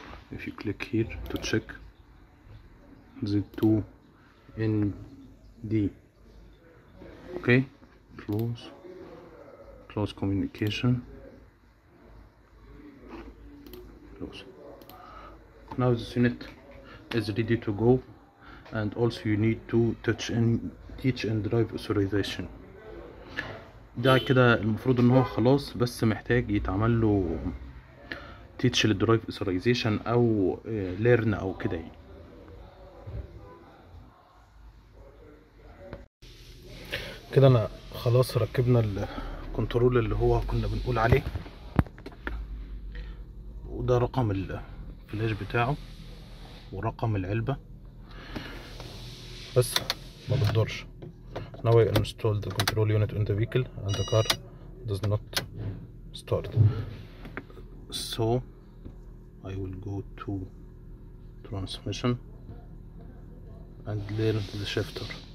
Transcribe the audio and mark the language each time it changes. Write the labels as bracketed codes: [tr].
[en] If you click here to check the 2ND, okay, close communication, close. Now this unit is ready to go, and also you need to teach and drive authorization. [ar] ده كده المفروض ان هو خلاص، بس محتاج يتعمل له [en] teach the drive authorization [ar] او learn او كده يعني. كده انا خلاص ركبنا الكنترول اللي هو كنا بنقول عليه، وده رقم الفلاش بتاعه ورقم العلبة، بس ما بقدرش. [en] Now I installed the control unit in the vehicle and the car does not start. So I will go to transmission and learn the shifter.